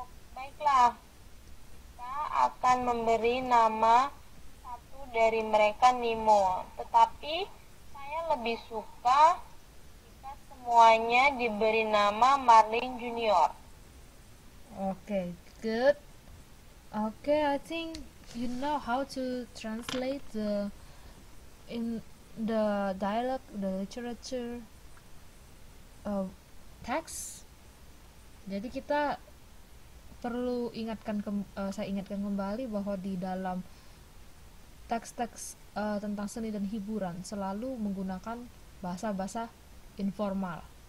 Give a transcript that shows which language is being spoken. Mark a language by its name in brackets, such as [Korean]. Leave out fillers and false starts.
[Indonesian] Baiklah, kita akan memberi nama satu dari mereka Nemo. Tetapi saya lebih suka jika semuanya diberi nama Marlin Junior. [English] Good. I think you know how to translate the in the dialogue, the literature text. [Indonesian] Jadi kita perlu ingatkan saya ingatkan kembali bahwa di dalam teks-teks tentang seni dan hiburan selalu menggunakan bahasa-bahasa informal.